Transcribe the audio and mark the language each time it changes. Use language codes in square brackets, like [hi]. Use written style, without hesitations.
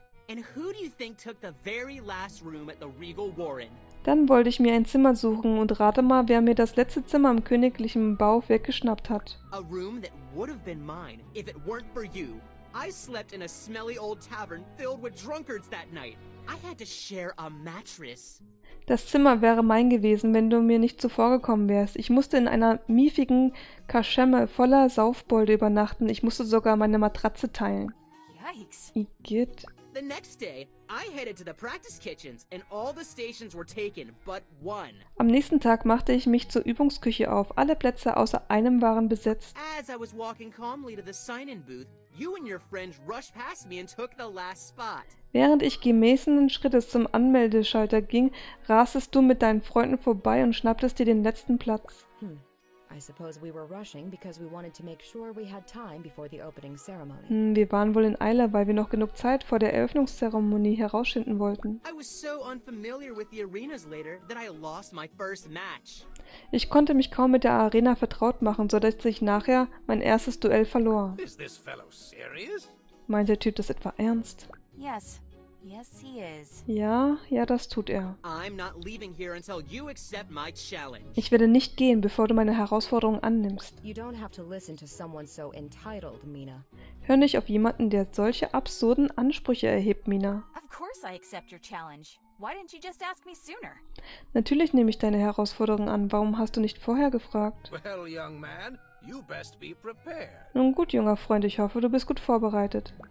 [en] And who do you think took the very last room at the Regal Warren? [de] Dann wollte ich mir ein Zimmer suchen und rate mal, wer mir das letzte Zimmer im königlichen Bau weggeschnappt hat. [en] A room that would have been mine if it weren't for you. I slept in a smelly old tavern filled with drunkards that night. I had to share a mattress. [de] Das Zimmer wäre mein gewesen, wenn du mir nicht zuvorgekommen wärst. Ich musste in einer miefigen Kaschemme voller Saufbolde übernachten. Ich musste sogar meine Matratze teilen. [en] Yikes. [de] Igitt. [en] The next day, I headed to the practice kitchens and all the stations were taken but one. [de] Am nächsten Tag machte ich mich zur Übungsküche auf. Alle Plätze außer einem waren besetzt. [en] As I was walking calmly to the sign-in booth, you and your friends rushed past me and took the last spot. [de] Während ich gemäßenden Schrittes zum Anmeldeschalter ging, rastest du mit deinen Freunden vorbei und schnapptest dir den letzten Platz. [en] I suppose we were rushing because we wanted to make sure we had time before the opening ceremony. [de] Wir waren wohl in Eile, weil wir noch genug Zeit vor der Eröffnungszeremonie herausschinden wollten. [en] I was so unfamiliar with the arenas later that I lost my first match. [de] Ich konnte mich kaum mit der Arena vertraut machen, sodass ich nachher mein erstes Duell verlor. [en] Is this fellow serious? [de] Meint der Typ das etwa ernst? [en] Yes. Yes, he is. [de] Ja, das tut er. [en] I'm not leaving here until you accept my challenge. [de] Ich werde nicht gehen, bevor du meine Herausforderung annimmst. [en] You don't have to listen to someone so entitled, Mina. [de] Hör nicht auf jemanden, der solche absurden Ansprüche erhebt, Mina. [en] Of course I accept your challenge. Why didn't you just ask me sooner? [de] Natürlich nehme ich deine Herausforderung an. Warum hast du nicht vorher gefragt? [en] Well, young man, you best be prepared. [de] Nun gut, junger Freund, ich hoffe, du bist gut vorbereitet.